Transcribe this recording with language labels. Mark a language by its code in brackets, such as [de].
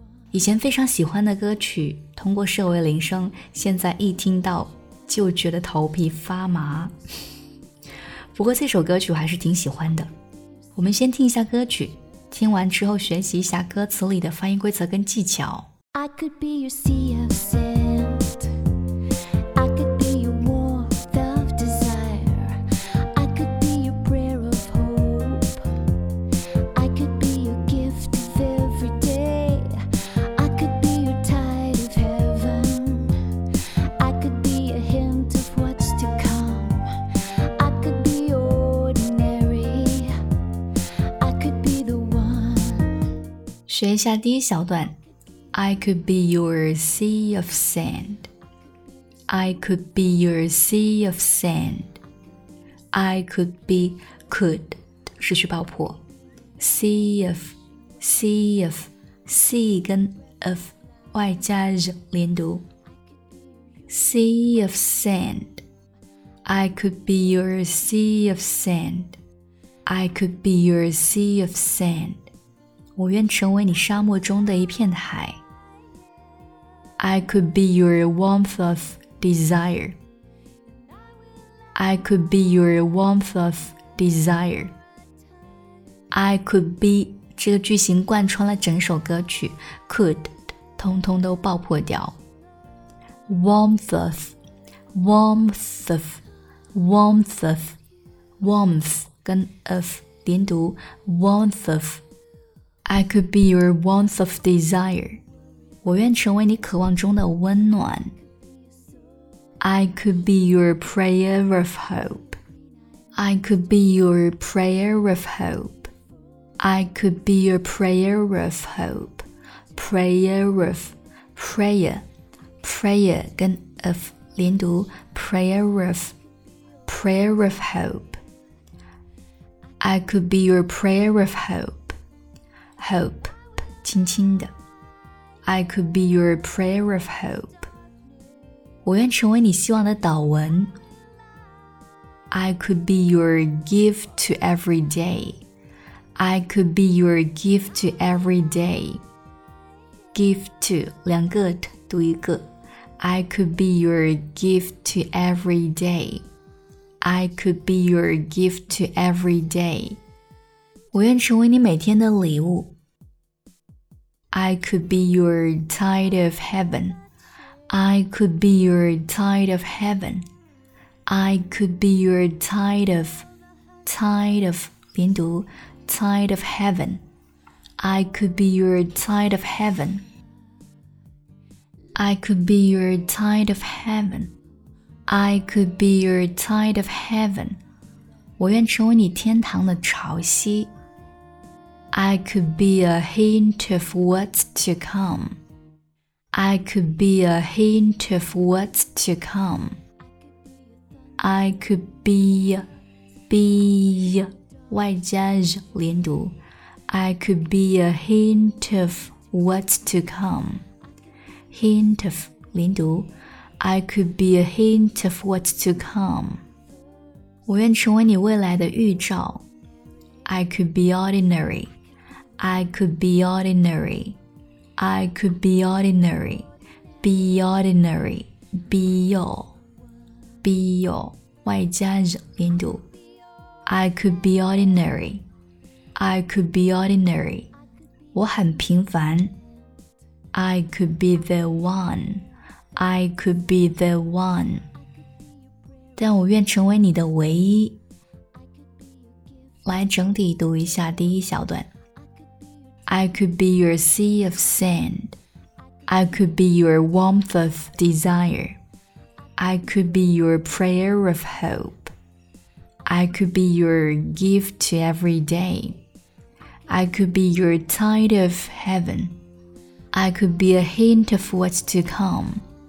[zh] 以前非常喜欢的歌曲，通过设为铃声，现在一听到就觉得头皮发麻。不过这首歌曲我还是挺喜欢的。我们先听一下歌曲，听完之后学习一下歌词里的发音规则跟技巧。 [en] I could be your sea of sand. I could be your warmth of desire. I could be your prayer of hope. I could be your gift of every day. I could be your tide of heaven. I could be a hint of what's to come. I could be ordinary. I could be the one. [zh] 学一下第一小段。 [en] I could be your sea of sand. I could be your sea of sand. I could be, could, [zh] 失去爆破。 [en] Sea of, sea of, sea 跟 of [zh] 外加 z 连读。 [en] Sea of sand. I could be your sea of sand. I could be your sea of sand. [zh] 我愿成为你沙漠中的一片海。 [en] I could be your warmth of desire. I could be your warmth of desire. I could be [zh] 这个句型贯穿了整首歌曲 ，could 通通都爆破掉。 [en] Warmth of, warmth of, warmth of, warmth 跟 of 连读 ，warmth of. I could be your warmth of desire. [zh] 我愿成为你渴望中的温暖。 [en] I could be your prayer of hope. I could be your prayer of hope. I could be your prayer of hope. Prayer of, prayer, prayer 跟 of 连读 prayer of hope. I could be your prayer of hope. Hope, [zh] 轻轻的。 [en] I could be your prayer of hope. [zh] 我愿成为你希望的祷文。 [en] I could be your gift to every day. I could be your gift to every day. Gift to, [zh] 两个 t, 读一个。 [en] I could be your gift to every day. I could be your gift to every day. [zh] 我愿成为你每天的礼物。 [en] I could be your tide of heaven. I could be your tide of heaven. I could be your tide of, [zh] 连读, [en] tide of heaven. I could be your tide of heaven. I could be your tide of heaven. I could be your tide of heaven. [zh] 我愿成为你天堂的潮汐。 [en] I could be a hint of what's to come. I could be a hint of what's to come. I could be, [zh] 外加 z 连读。 [en] I could be a hint of what's to come. Hint of [zh] 连读。 [en] I could be a hint of what's to come. [zh] 我愿成为你未来的预兆。 [en] I could be ordinary. I could be ordinary. I could be ordinary. Be ordinary. Be your. Be your. [zh] 外加 z 连读。 [en] I could be ordinary. I could be ordinary. [zh] 我很平凡。 [en] I could be the one. I could be the one. [zh] 但我愿成为你的唯一。来整体读一下第一小段。 [en] I could be your sea of sand. I could be your warmth of desire. I could be your prayer of hope. I could be your gift to every day. I could be your tide of heaven. I could be a hint of what's to come.